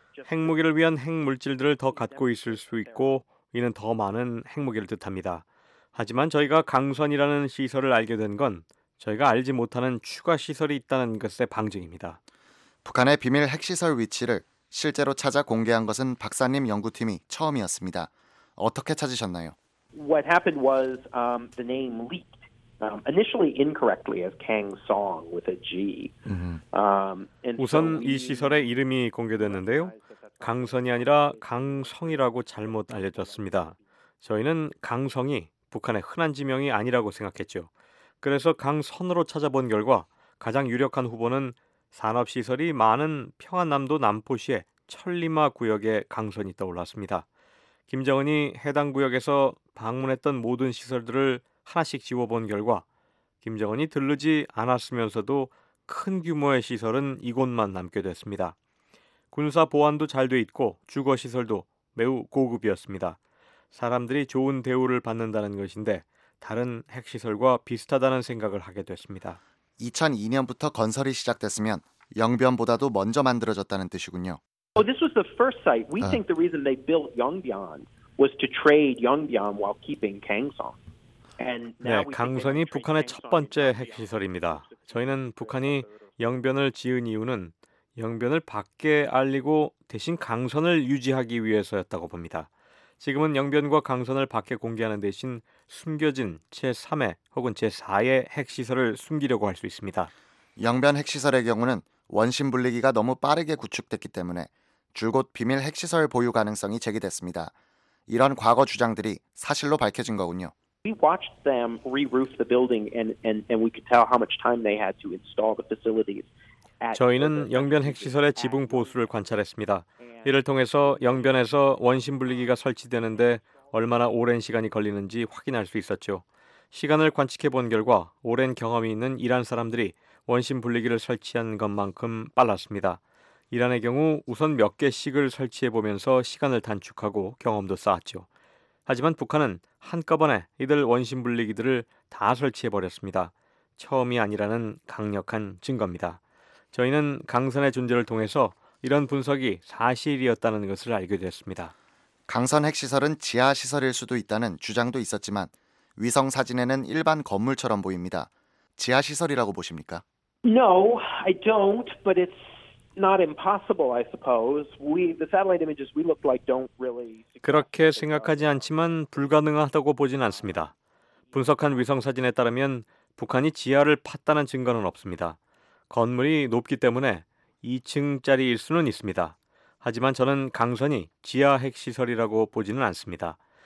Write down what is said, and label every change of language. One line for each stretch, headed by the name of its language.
Korean: 핵무기를 위한 핵물질들을 더 갖고 있을 수 있고 이는 더 많은 핵무기를 뜻합니다. 하지만 저희가 강선이라는 시설을 알게 된 건 저희가 알지 못하는 추가 시설이 있다는 것의 방증입니다. 북한의 비밀 핵시설 위치를 실제로 찾아 공개한 것은 박사님 연구팀이 처음이었습니다. 어떻게 찾으셨나요?
English: What happened was the name leaked. Initially incorrectly as Kang Song with a G.
Korean: 우선 이 시설의 이름이 공개됐는데요. 강선이 아니라 강성이라고 잘못 알려졌습니다. 저희는 강성이 북한의 흔한 지명이 아니라고 생각했죠. 그래서 강선으로 찾아본 결과 가장 유력한 후보는 산업시설이 많은 평안남도 남포시의 천리마 구역의 강선이 떠올랐습니다. 김정은이 해당 구역에서 방문했던 모든 시설들을 하나씩 지워본 결과 김정은이 들르지 않았으면서도 큰 규모의 시설은 이곳만 남게 됐습니다. 군사 보안도 잘 돼 있고 주거 시설도 매우 고급이었습니다. 사람들이 좋은 대우를 받는다는 것인데 다른 핵시설과 비슷하다는 생각을 하게 됐습니다. 2002년부터 건설이 시작됐으면 영변보다도 먼저 만들어졌다는 뜻이군요.
English: Oh, this was the first site. We think the reason they built Yongbyon was to trade Yongbyon while keeping Kangsong.
Korean: 네, 강선이 북한의 첫 번째 핵시설입니다. 저희는 북한이 영변을 지은 이유는 영변을 밖에 알리고 대신 강선을 유지하기 위해서였다고 봅니다. 지금은 영변과 강선을 밖에 공개하는 대신 숨겨진 제3의 혹은 제4의 핵시설을 숨기려고 할 수 있습니다. 영변 핵시설의 경우는 원심 분리기가 너무 빠르게 구축됐기 때문에 줄곧 비밀 핵시설 보유 가능성이 제기됐습니다. 이런 과거 주장들이 사실로 밝혀진 거군요.
English: We watched them re-roof the building and we could tell how much time they had to install the facilities.
Korean: 저희는 영변 핵시설의 지붕 보수를 관찰했습니다. 이를 통해서 영변에서 원심 분리기가 설치되는데 얼마나 오랜 시간이 걸리는지 확인할 수 있었죠. 시간을 관측해 본 결과 오랜 경험이 있는 이란 사람들이 원심 분리기를 설치한 것만큼 빨랐습니다. 이란의 경우 우선 몇 개씩을 설치해 보면서 시간을 단축하고 경험도 쌓았죠. 하지만 북한은 한꺼번에 이들 원심 분리기들을 다 설치해버렸습니다. 처음이 아니라는 강력한 증거입니다. 저희는 강선의 존재를 통해서 이런 분석이 사실이었다는 것을 알게 됐습니다. 강선 핵시설은 지하시설일 수도 있다는 주장도 있었지만 위성 사진에는 일반 건물처럼 보입니다. 지하시설이라고 보십니까?
English: No, I don't, but it's not impossible, I suppose. The satellite images we looked like don't really.
Korean: 그렇게 생각하지 않지만 불가능하다고 보진 않습니다. 분석한 위성 사진에 따르면 북한이 지하를 팠다는 증거는 없습니다. 건물이 높기 때문에 2층짜리일 수는 있습니다. 하지만 저는 강선이 지하 핵 시설이라고 보지는 않습니다.